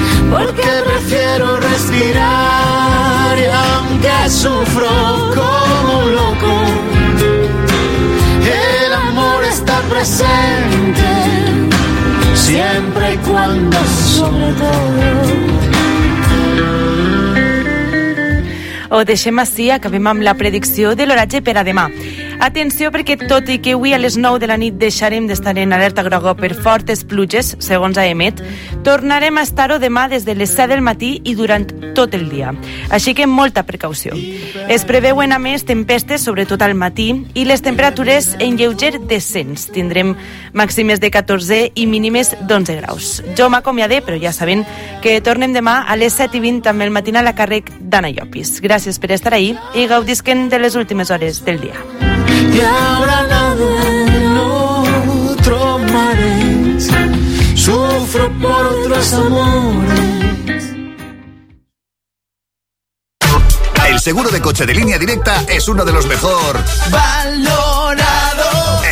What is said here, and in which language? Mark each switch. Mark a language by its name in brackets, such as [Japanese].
[Spanish] porque prefiero respirar y aunque sufro como un loco, el amor está presente. Siempre y cuando, sobre todo. [Catalan] O deixem així, acabem amb la predicció de l'oratge per a demà. Atenció, perquè tot i que avui a les 9 de la nit deixarem d'estar en alerta groga per fortes pluges, segons AEMET, tornarem a estar-ho demà des de les 7 del matí i durant tot el dia. Així que molta precaució. Es preveuen a més tempestes, sobretot al matí, i les temperatures en lleuger descens. Tindrem màximes de 14 i mínimes d'11 graus. Jo m'acomiadé, però ja sabem que tornem demà a les 7:20 amb el matinal a càrrec d'Anna Llopis. Gràcies per estar ahí i gaudisquen de les últimes hores del dia. [Spanish] Y ahora nada en otros mares, sufro por otros amores. El seguro de coche de Línea Directa es uno de los mejor valorado